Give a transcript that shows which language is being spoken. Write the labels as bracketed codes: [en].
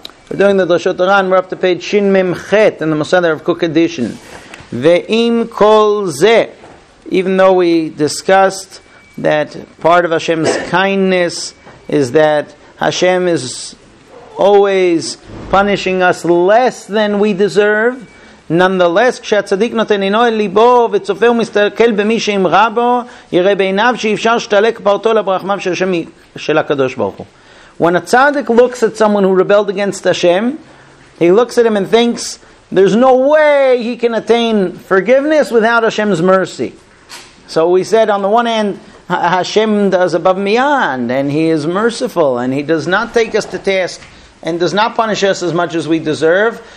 [en] We're doing the Drashot Taran. We're up to page Shin Mem Chet in the Mosader of Cook edition. [he] Ve'im kol ze. [en] Even though we discussed that part of Hashem's kindness is that Hashem is always punishing us less than we deserve, nonetheless, [he] כשהצדיק נותן עינו אל ליבו וצופה ומסתכל במי שעם רבו, יראה בעיניו שאפשר שתלק פרטו לברחמיו של השם של הקדוש ברוך הוא. [en] When a tzaddik looks at someone who rebelled against Hashem, he looks at him and thinks, there's no way he can attain forgiveness without Hashem's mercy. So we said, on the one hand, Hashem does above and beyond, and He is merciful, and He does not take us to task, and does not punish us as much as we deserve.